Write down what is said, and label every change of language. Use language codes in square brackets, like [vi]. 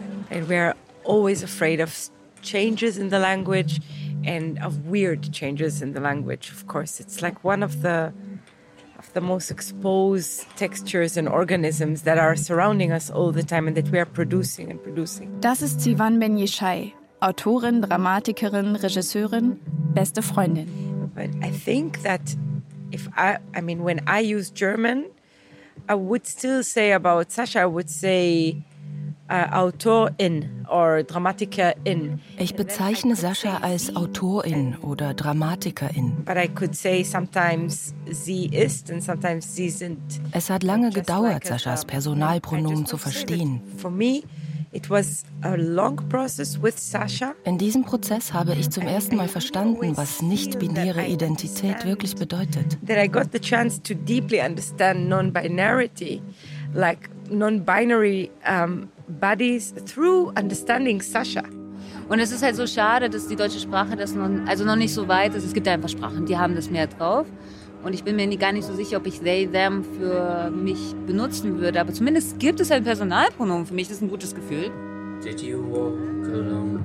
[en] And we are always afraid of changes in the language and of weird changes in the language, of course. It's like one of the most exposed textures and organisms that are surrounding us all the time and that we are producing. [de] Das ist Sivan Ben-Yishai, Autorin, Dramatikerin, Regisseurin, beste Freundin. [en] But I think that when I use German, I would still say about Sascha, I would say Autorin or Dramatikerin. [de] Ich bezeichne Sascha als Autorin oder Dramatikerin. [en] But I could say sometimes [de] sie ist [en] and sometimes [de] sie sind. Es hat lange gedauert, Saschas Personalpronomen zu verstehen. [en] For me, it was a long process with Sascha. [de] In diesem Prozess habe ich zum ersten Mal verstanden, was nicht-binäre Identität wirklich bedeutet. [en] That I got the chance to deeply understand non-binarity, like non-binary bodies through understanding Sascha. [de] Und es ist halt so schade, dass die deutsche Sprache das noch nicht so weit ist. Es gibt einfach Sprachen, die haben das mehr drauf. Und ich bin mir gar nicht so sicher, ob ich they, them für mich benutzen würde. Aber zumindest gibt es ein Personalpronomen für mich. Das ist ein gutes Gefühl. [en] Did you walk alone